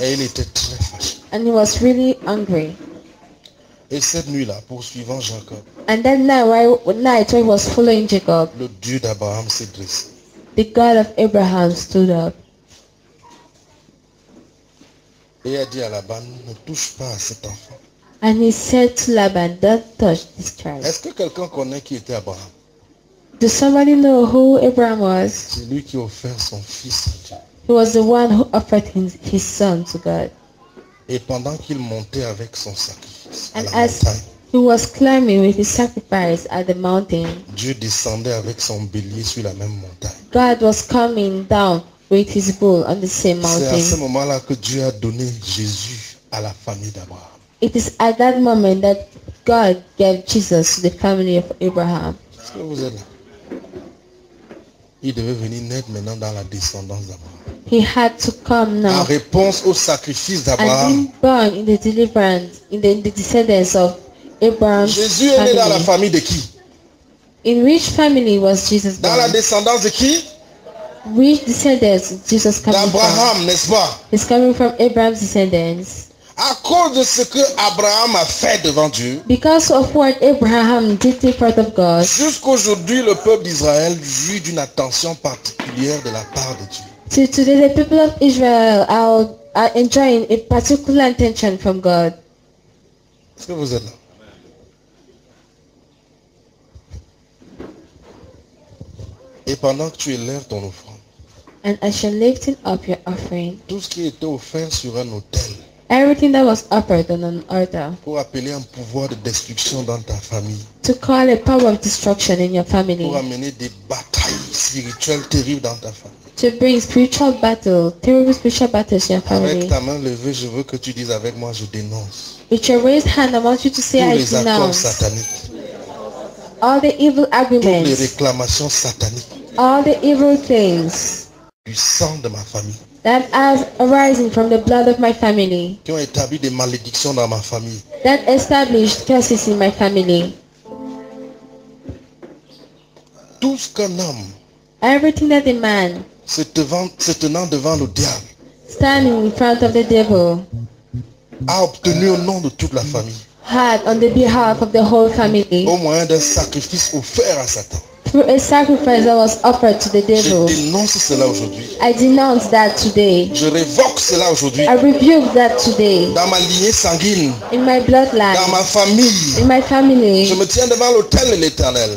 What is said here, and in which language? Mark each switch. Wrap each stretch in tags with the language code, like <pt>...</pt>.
<fr>Et il était très fâché.</fr> <en>And he was really angry.</en> <fr>Et cette nuit-là, poursuivant Jacob.</fr> <en>And that night when he was following Jacob.</en> <fr>Le Dieu d'Abraham s'est dressé.</fr> <en>The God of Abraham stood up.</en> <fr>Et a dit à Laban, ne touche pas à cet enfant.</fr> <en>And he said to Laban, don't touch this child.</en> <fr>Est-ce que quelqu'un connaît qui était Abraham?</fr> <en>Does somebody know who Abraham was?</en> <fr>C'est lui qui a offert son fils à Dieu.</fr> <en>He was the one who offered his son to God.</en> <fr>Et pendant qu'il montait avec son sacrifice.</fr> <en>And as he was climbing with his sacrifice at the mountain,</en> <fr>Dieu descendait avec son bélier sur la même montagne.</fr> <en>God was coming down with his bull on the same mountain.</en> <fr>C'est à ce moment-là que Dieu a donné Jésus à la famille d'Abraham.</fr> <en>It is at that moment that God gave Jesus to the family of Abraham.</en> <fr>Est-ce que vous êtes là? Il devait venir naître maintenant dans la descendance d'Abraham.</fr> <en>He had to come now.</en> <fr>En réponse au sacrifice d'Abraham.</fr> <en>And being born in the deliverance, in the descendants of Abraham's family.</en> <fr>Jésus est né dans la famille de qui?</fr> <en>In which family was Jesus born?</en> <fr>Dans la descendance de qui?</fr> <en>Which descendants Jesus coming</en> <fr>D'Abraham,</fr> <en>from?</en> <fr>D'Abraham, n'est-ce pas?</fr> <en>He's coming from Abraham's descendants.</en> <fr>À cause de ce que Abraham a fait devant Dieu.</fr> <en>Because of what Abraham did in front of God.</en> <fr>Jusqu'aujourd'hui, le peuple d'Israël jouit d'une attention particulière de la part de Dieu.</fr> <en>So today, the people of Israel are enjoying a particular attention from God.</en> <fr>Est-ce que vous êtes là? Et pendant que tu élèves ton offrande.</fr> <en>And as you're lifting up your offering.</en> <fr>Tout ce qui était offert sur un autel.</fr> <en>Everything that was offered on an altar.</en> <fr>Pour appeler un pouvoir de destruction dans ta famille.</fr> <en>To call a power of destruction in your family.</en> <fr>Pour amener des batailles spirituelles terribles dans ta famille.</fr> <en>To bring spiritual battle, terrible spiritual battles in your family.</en> <fr>Avec ta main levée, je veux que tu dises avec moi, je dénonce.</fr> <en>With your raised hand, I want you to say,</en> <fr>tous</fr> <en>I denounce.</en> <fr>Sataniques.</fr> <en>All the evil arguments.</en> <fr>Toutes les réclamations sataniques.</fr> <en>All the evil things.</en> <fr>Du sang de ma famille.</fr> <en>That have arisen from the blood of my family.</en> <fr>Qui ont établi des malédictions dans ma famille.</fr> <en>That established curses in my family.</en> <fr>tout ce qu'un homme</fr> <en>everything that a man</en> <fr>se tenant devant le diable</fr> <en>standing in front of the devil</en> <fr>a obtenu au nom de toute la famille</fr> <en>had on the behalf of the whole family</en> <fr>au moyen d'un sacrifice offert à Satan</fr> <en>through a sacrifice that was offered to the devil.</en> <fr>Je dénonce cela aujourd'hui.</fr> <en>I denounce that today.</en> <fr>Je révoque cela aujourd'hui.</fr> <en>I rebuke that today.</en> <fr>Dans ma lignée sanguine.</fr> <en>In my bloodline.</en> <fr>Dans ma famille.</fr> <en>In my family.</en> <fr>Je me tiens devant l'autel de l'Éternel.</fr>